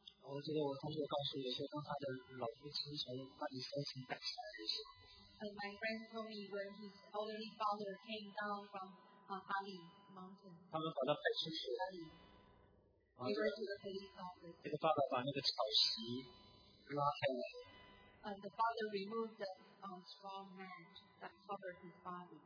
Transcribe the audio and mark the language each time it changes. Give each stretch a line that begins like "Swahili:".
Chinese: 我记得我同学告诉我说，当他的老父亲从阿里山上下来的时候。
English: And my friend told me when his elderly father came down from Ali Mountain.
Chinese: 他们跑到派出所。这个爸爸把那个草席拉开了。
English: The father removed the straw mat that covered his body.